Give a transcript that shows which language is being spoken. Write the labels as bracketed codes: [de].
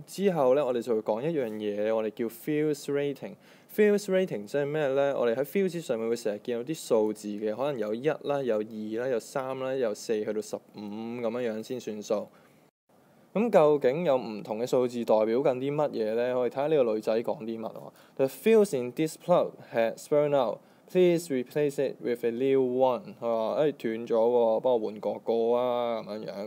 [yue] 之後咧，我哋就會講一樣嘢，我哋叫 fuse rating。 fuse rating 即係咩咧？我哋喺 fuse 上面會成日見到啲數字嘅，可能有一啦，有二啦，有三啦，有四去到十五咁樣樣先算數。咁究竟有唔同嘅數字代表緊啲乜嘢咧？我哋睇下呢個女仔講啲乜喎。 [en] The fuse in this plug has burned out. Please replace it with a new one。 [yue] 佢話：誒斷咗喎，幫我換個個啊咁樣樣。